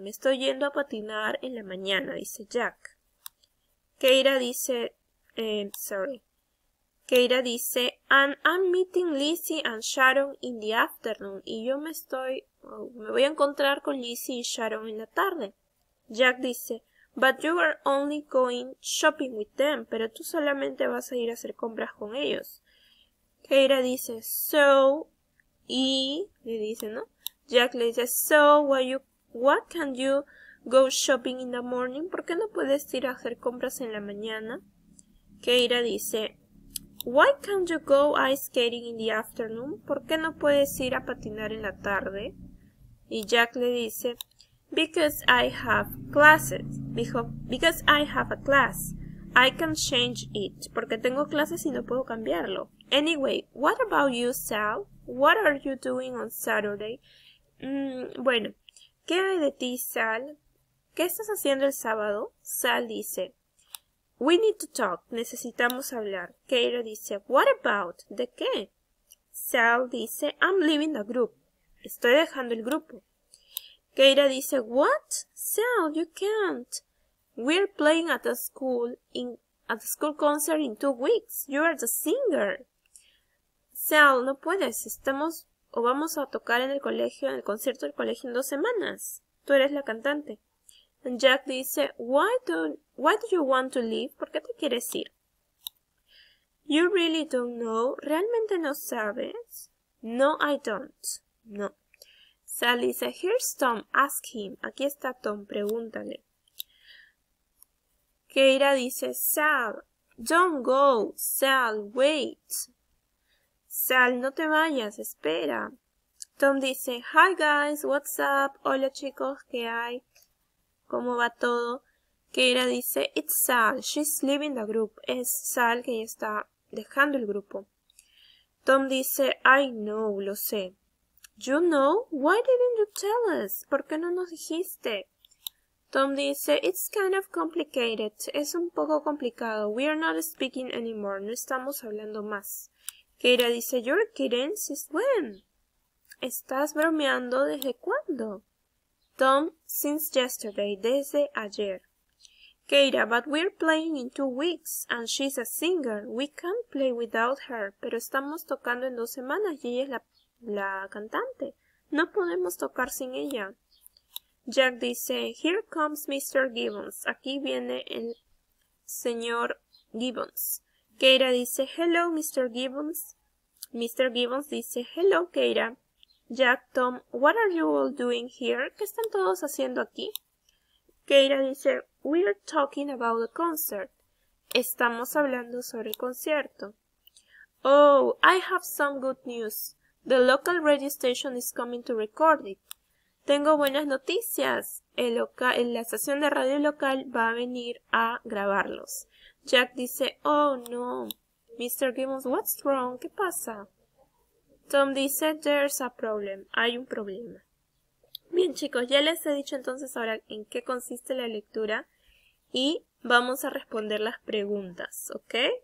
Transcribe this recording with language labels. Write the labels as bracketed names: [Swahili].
[Spanish] Me estoy yendo a patinar en la mañana, dice Jack. Keira dice, sorry. [English] Keira dice, and I'm meeting Lizzie and Sharon in the afternoon. [Spanish] Y yo me voy a encontrar con Lizzie y Sharon en la tarde. [English] Jack dice, but you are only going shopping with them, [Spanish] pero tú solamente vas a ir a hacer compras con ellos. Keira dice, so, y le dice, ¿no? [English] Jack le dice, so, what can you go shopping in the morning? [Spanish] ¿Por qué no puedes ir a hacer compras en la mañana? [English] Keira dice, why can't you go ice skating in the afternoon? [Spanish] ¿Por qué no puedes ir a patinar en la tarde? [English] Y Jack le dice, because I have a class, I can change it. [Spanish] Porque tengo clases y no puedo cambiarlo. [English] Anyway, what about you, Sal? What are you doing on Saturday? [Spanish] Bueno, ¿qué hay de ti, Sal? ¿Qué estás haciendo el sábado? Sal dice, [English] we need to talk. [Spanish] Necesitamos hablar. Keira dice, [English] what about? [Spanish] ¿De qué? [English] Sal dice, I'm leaving the group. [Spanish] Estoy dejando el grupo. [English] Keira dice, what? Sal, you can't. We're playing at a school in at a school concert in 2 weeks. You are the singer. [Spanish] Sal, no puedes. Estamos o vamos a tocar en el colegio, en el concierto del colegio en 2 semanas. Tú eres la cantante. [English] And Jack dice, why do you want to leave? [Spanish] ¿Por qué te quieres ir? [English] You really don't know. [Spanish] ¿Realmente no sabes? [English] No, I don't. [Spanish] No. [English] Sal dice, here's Tom, ask him. [Spanish] Aquí está Tom, pregúntale. [English] Keira dice, Sal, don't go. Sal, wait. [Spanish] Sal, no te vayas, espera. Tom dice, [English] hi guys, what's up? [Spanish] Hola chicos, ¿qué hay? ¿Cómo va todo? [English] Keira dice, it's Sal, she's leaving the group. [Spanish] Es Sal que ya está dejando el grupo. [English] Tom dice, I know, [Spanish] lo sé. [English] You know? Why didn't you tell us? [Spanish] ¿Por qué no nos dijiste? [English] Tom dice, it's kind of complicated. [Spanish] Es un poco complicado. [English] We are not speaking anymore. [Spanish] No estamos hablando más. Keira dice, [English] you're kidding? Since when? [Spanish] ¿Estás bromeando? ¿Desde cuándo? Tom, [English] since yesterday. [Spanish] Desde ayer. [English] Keira, but we're playing in 2 weeks, and she's a singer. We can't play without her. [Spanish] Pero estamos tocando en 2 semanas y ella es la cantante. No podemos tocar sin ella. Jack dice, [English] here comes Mr. Gibbons. [Spanish] Aquí viene el señor Gibbons. [English] Keira dice, hello, Mr. Gibbons. Mr. Gibbons dice, hello, Keira. Jack, Tom, what are you all doing here? [Spanish] ¿Qué están todos haciendo aquí? [English] Keira dice, we are talking about the concert. [Spanish] Estamos hablando sobre el concierto. [English] Oh, I have some good news. The local radio station is coming to record it. [Spanish] Tengo buenas noticias. La estación de radio local va a venir a grabarlos. [English] Jack dice, oh no. Mr. Gibbons, what's wrong? [Spanish] ¿Qué pasa? [English] Tom dice, there's a problem. [Spanish] Hay un problema. Bien, chicos, ya les he dicho entonces ahora en qué consiste la lectura y vamos a responder las preguntas, ¿ok?